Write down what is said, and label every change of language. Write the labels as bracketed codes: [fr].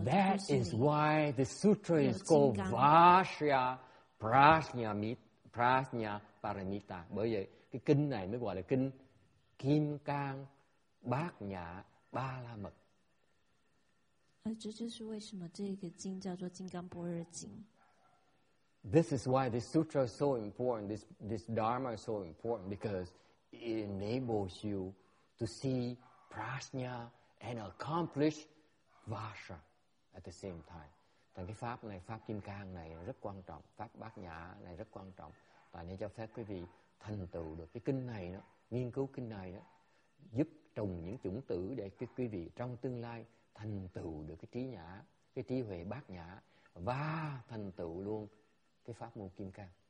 [en] that is why the sutra is called Vajra Prajna Prajna Paramita. [vi] Bởi vậy cái kinh này mới gọi là kinh Kim Cang Bát Nhã Ba La Mật. [zh] 而这就是为什么这个经叫做金刚般若经。 [en] This is why this sutra is so important, this dharma is so important, because it enables you to see prajna and accomplish vajra at the same time. [vi] Thành cái pháp này, pháp kim cang này rất quan trọng, pháp bát nhã này rất quan trọng. Và nên cho phép quý vị thành tựu được cái kinh này đó, nghiên cứu kinh này đó, giúp trồng những chủng tử để quý vị trong tương lai thành tựu được cái trí nhã, cái trí huệ bát nhã và thành tựu luôn cái pháp môn kim cang.